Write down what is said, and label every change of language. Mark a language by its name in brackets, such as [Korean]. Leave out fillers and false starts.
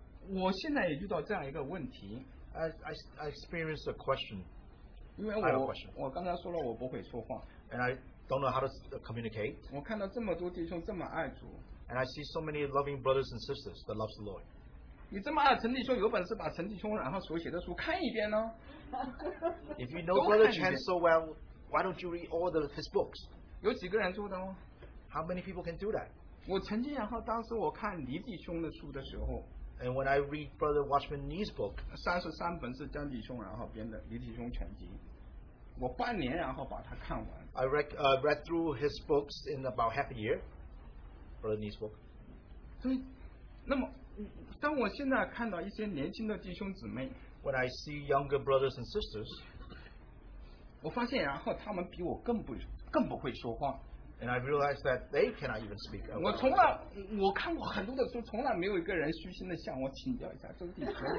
[Chinese] 我现在也遇到这样一个问题。 [English] I experienced a question. [Chinese] 因为我刚才说了我不会说话。 [English] And I don't know how to communicate. [Chinese] 我看到这么多弟兄这么爱主。 [English] And I see so many loving brothers and sisters that love the Lord. [Chinese] 你这么爱陈弟兄，有本事把陈弟兄然后所写的书看一遍呢。 [English] If you know Brother Chen so well, why don't you read all his books? [Chinese] 有几个人做的吗？ [English] How many people can do that? [Chinese] 我曾经然后当时我看黎弟兄的书的时候。 [English] And when I read Brother Watchman Nee's book, [Chinese] 33本是江弟兄然后编的李弟兄全集，我半年然后把它看完。 [English] I read through his books in about half a year, Brother Nee's book. [Chinese] 所以，那么当我现在看到一些年轻的弟兄姊妹 [English] ，When I see younger brothers and sisters, [Chinese] 我发现然后他们比我更不会说话。 [English] And I realized that they cannot even speak. [Chinese] 我从来我看过很多的书，从来没有一个人虚心的向我请教一下真谛。